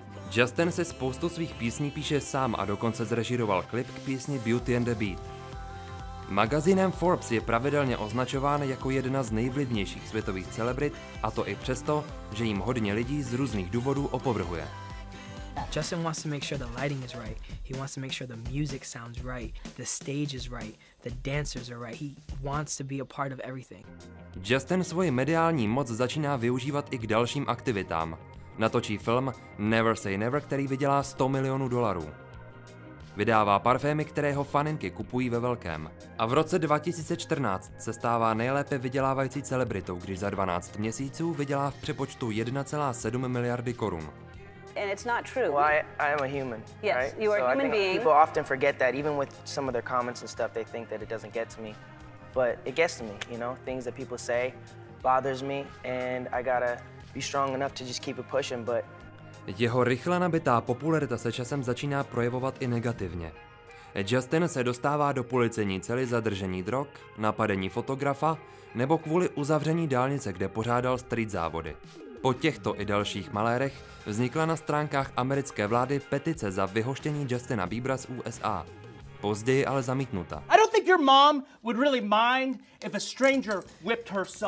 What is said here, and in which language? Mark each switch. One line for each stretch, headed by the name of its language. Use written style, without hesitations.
Czech: Justin si spoustu svých písní píše sám a dokonce zrežíroval klip k písni Beauty and the Beat. Magazínem Forbes je pravidelně označován jako jedna z nejvlivnějších světových celebrit, a to i přesto, že jim hodně lidí z různých důvodů opovrhuje.
English: Justin wants to make sure the lighting is right. He wants to make sure the music sounds right, the stage is right, the dancers are right. He wants to be a part of everything.
Czech: Justin svoji mediální moc začíná využívat i k dalším aktivitám. Natočí film Never Say Never, který vydělá 100 milionů dolarů. Vydává parfémy, které jeho faninky kupují ve velkém. A v roce 2014 se stává nejlépe vydělávající celebritou, když za 12 měsíců vydělá v přepočtu 1,7 miliardy korun.
English: And it's not true. Well, I am a human. Yes, right? You are so a human being. People often forget that, even with some of their comments and stuff, they think that it doesn't get to me. But it gets to me, you know, things that people say bothers me and I gotta be strong enough to just keep it pushing, but...
Czech: Jeho rychle nabitá popularita se časem začíná projevovat i negativně. Justin se dostává do policejní cely za držení drog, napadení fotografa nebo kvůli uzavření dálnice, kde pořádal street závody. Po těchto i dalších malérech vznikla na stránkách americké vlády petice za vyhoštění Justina Biebera z USA. Později ale zamítnuta.
English: I don't think your mom would really mind if a stranger whipped her son.